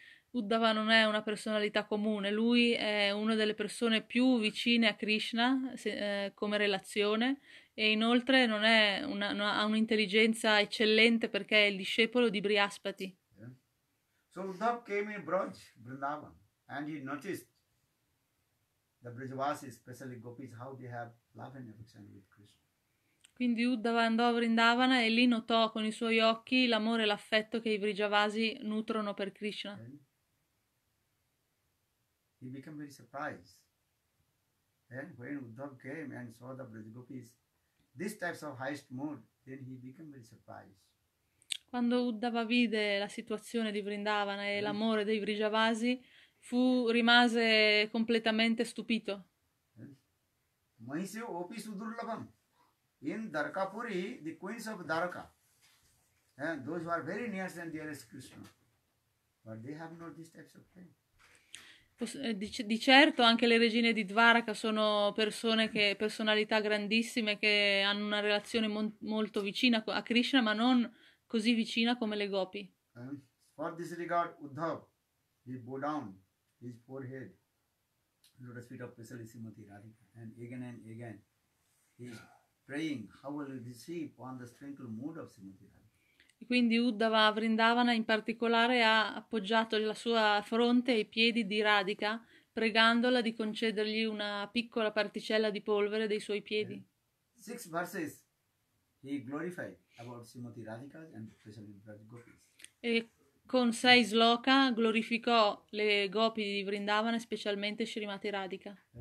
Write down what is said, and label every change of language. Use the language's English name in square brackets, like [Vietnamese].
[Italian] Uddhava non è una personalità comune, lui è una delle persone più vicine a Krishna, se, come relazione, e inoltre non è una, no, ha un'intelligenza eccellente perché è il discepolo di Brihaspati. [English] So Uddhav came in Braj, Vrindavan, and he noticed the Brajavasis, especially gopis, how they have love and affection with Krishna. [Italian] Quindi Uddhava andò a Vrindavana e lì notò con i suoi occhi l'amore e l'affetto che i Vrijavasi nutrono per Krishna. [English] And he became very surprised. And when Uddhav came and saw the Braj Gopis, these types of highest mood, then he became very surprised. [Italian] Quando Uddhava vide la situazione di Vrindavana e l'amore dei Vrijavasi, rimase completamente stupito. [Sanskrit] Mahishi Opi Sudurlabham. [English] In Dwarkapuri, the queens of Dwarka, those who are very nearest and dearest Krishna, but they have not these types of pain. [Italian] Di certo anche le regine di Dwaraka sono persone che personalità grandissime che hanno una relazione molto vicina a Krishna, ma non così vicina come le gopi. [English] For this regard, Uddhav, he bowed down his forehead, lotus feet of Pesali Srimati Radhika, and again, he is praying, how will he receive on the tranquil mood of Srimati Radhika? [Italian] Quindi Uddhava Vrindavana in particolare ha appoggiato la sua fronte ai piedi di Radhika, pregandola di concedergli una piccola particella di polvere dei suoi piedi. [English] Six verses he glorified about Srimati Radhika and especially Braj Gopis. [Italian] E con sei sloka glorificò le gopi di Vrindavana, specialmente Srimati Radhika.